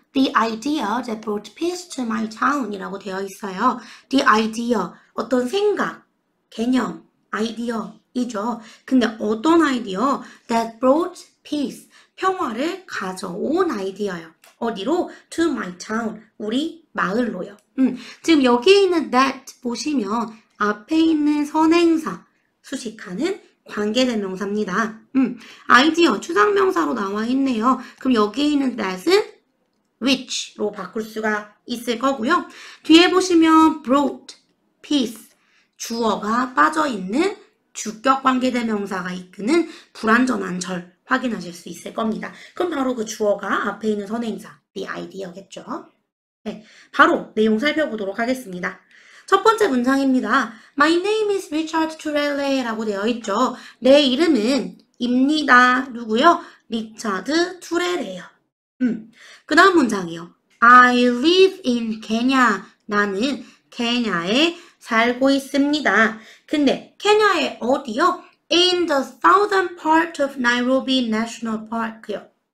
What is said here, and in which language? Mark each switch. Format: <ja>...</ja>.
<en>The idea that brought peace to my town</en> <ko>이라고 되어 있어요.</ko> <en>The idea,</en> <ko>어떤 생각, 개념, 아이디어이죠. 근데 어떤 아이디어?</ko> <en>That brought peace,</en> <ko>평화를 가져온 아이디어예요. 어디로?</ko> <en>To my town,</en> <ko>우리 마을로요. 지금 여기 있는 that 보시면 앞에 있는 선행사, 수식하는 관계대명사입니다. 아이디어, 추상명사로 나와 있네요. 그럼 여기 있는 that은 which로 바꿀 수가 있을 거고요. 뒤에 보시면 brought, peace, 주어가 빠져있는 주격 관계대명사가 이끄는 불완전한 절 확인하실 수 있을 겁니다. 그럼 바로 그 주어가 앞에 있는 선행사, the idea겠죠. 네, 바로 내용 살펴보도록 하겠습니다. 첫 번째 문장입니다.</ko> <en>My name is Richard Turelle</en> <ko>라고 되어 있죠. 내 이름은 입니다. 누구요? 리차드 투렐레예요. 그 다음 문장이요.</ko> <en>I live in Kenya.</en> <ko>나는 케냐에 살고 있습니다. 근데 케냐에 어디요?</ko> <en>In the southern part of Nairobi National Park요.</en>